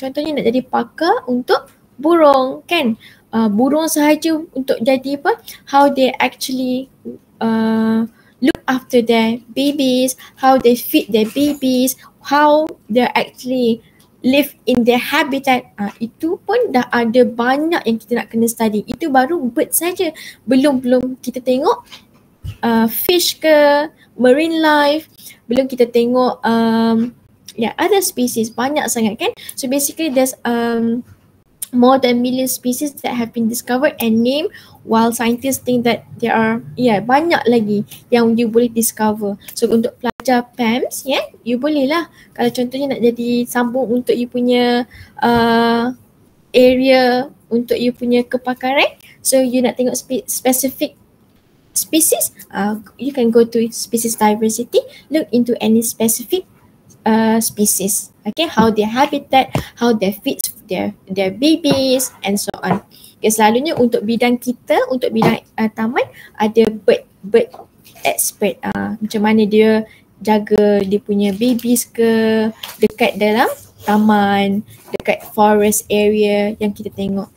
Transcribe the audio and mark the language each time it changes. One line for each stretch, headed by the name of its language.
Malay: Contohnya nak jadi pakar untuk burung, kan? Burung sahaja untuk jadi apa,
English: how they actually look after their babies, how they feed their babies, how they actually live in their habitat.
Malay: Itu pun dah ada banyak yang kita nak kena study. Itu baru bird saja, belum kita tengok fish ke,
English: marine life,
Malay: belum kita tengok other species, banyak sangat, kan?
English: So basically there's more than million species that have been discovered and named, while scientists think that there are,
Malay: banyak lagi yang you boleh discover. So untuk pelajar PAMS, you boleh lah. Kalau contohnya nak jadi sambung untuk you punya area, untuk you punya kepakaran,
English: so you nak tengok specific species, you can go to species diversity, look into any specific species. Okay, how their habitat, how they feed their babies and so on.
Malay: Okay, selalunya untuk bidang kita, untuk bidang taman, ada bird expert. Macam mana dia jaga dia punya babies ke dekat dalam taman, dekat forest area yang kita tengok.